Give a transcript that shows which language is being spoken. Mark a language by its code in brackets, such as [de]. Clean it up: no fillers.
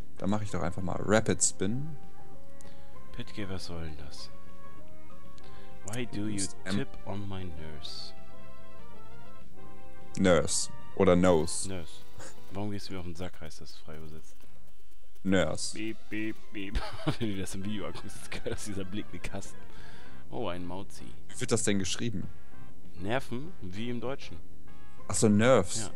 [de] Da mache ich doch einfach mal Rapid Spin. [en] Pitkay, [de] was soll denn das? [en] Why do you tip on my nurse? Nurse. [de] Oder [en] nose. Nurse. [de] Warum gehst du wieder auf den Sack, heißt das frei übersetzt? [en] Nurse. Beep, beep, beep. [de] Wenn du das im Video anguckst, ist geil, dass dieser Blick wie Kasten. Oh, ein Mauzi. Wie wird das denn geschrieben? Nerven, wie im Deutschen. Achso, Nerves. Ja.